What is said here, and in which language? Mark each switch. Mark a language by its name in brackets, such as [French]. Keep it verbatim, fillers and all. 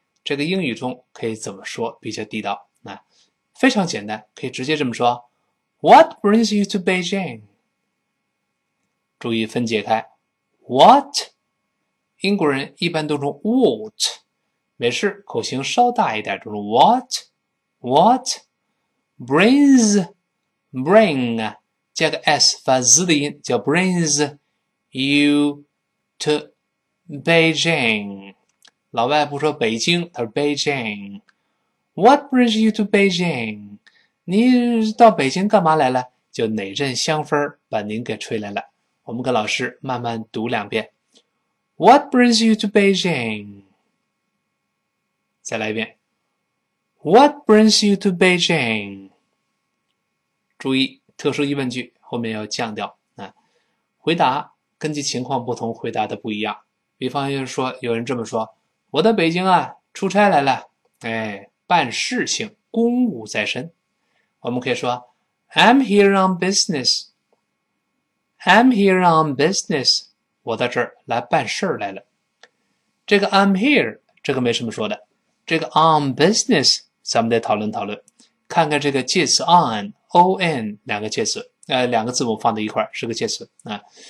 [Chinese] 这个英语中可以怎么说比较地道？啊，非常简单，可以直接这么说 ： [English] What brings you to Beijing？ [Chinese] 注意分解开 ，What？英国人一般都用 What， 美式口型稍大一点，就是 What，What，brings，bring。加个 s 发 z 的音，叫 [English] brings you to Beijing。 [Chinese] 老外不说北京，他说 Beijing。 [English] What brings you to Beijing？ [Chinese] 你到北京干嘛来了？就哪阵香风把您给吹来了？我们跟老师慢慢读两遍。 [English] What brings you to Beijing？ [Chinese] 再来一遍。 [English] What brings you to Beijing？ [Chinese] 注意特殊疑问句后面要降调啊，回答根据情况不同，回答的不一样。比方说，有人这么说：“我到北京啊，出差来了，哎，办事情，公务在身。” 我们可以说 ：“ [English] I'm here on business. I'm here on business. [Chinese] 我到这儿来办事儿来了。” 这个 I'm here 这个没什么说的，这个 on business 咱们得讨论讨论。看看这个介词 on on 两个介词，呃，两个字母放在一块是个介词啊。